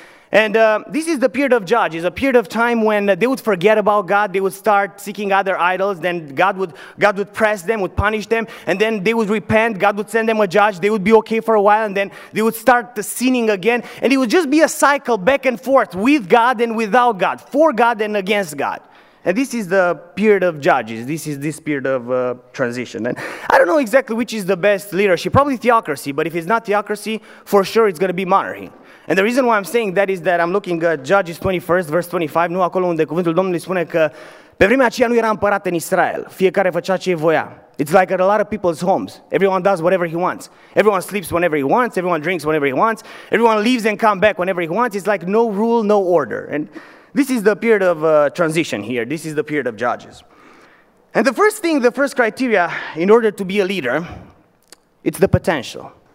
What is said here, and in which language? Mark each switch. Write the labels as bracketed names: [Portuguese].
[English] And this is the period of Judges, a period of time when they would forget about God, they would start seeking other idols, then God would press them, would punish them, and then they would repent, God would send them a judge, they would be okay for a while, and then they would start sinning again, and it would just be a cycle back and forth with God and without God, for God and against God. And this is the period of Judges, this is this period of transition. And I don't know exactly which is the best leadership, probably theocracy, but if it's not theocracy, for sure it's going to be monarchy. And the reason why I'm saying that is that I'm looking at Judges 21, verse 25. [Romanian] Nu acolo unde cuvântul Domnului spune că pe vremea aceea nu era împărat în Israel. Fiecare făcea ce voia. [English] It's like at a lot of people's homes. Everyone does whatever he wants. Everyone sleeps whenever he wants. Everyone drinks whenever he wants. Everyone leaves and comes back whenever he wants. It's like no rule, no order. And this is the period of transition here. This is the period of Judges. And the first thing, the first criteria in order to be a leader, it's the potential.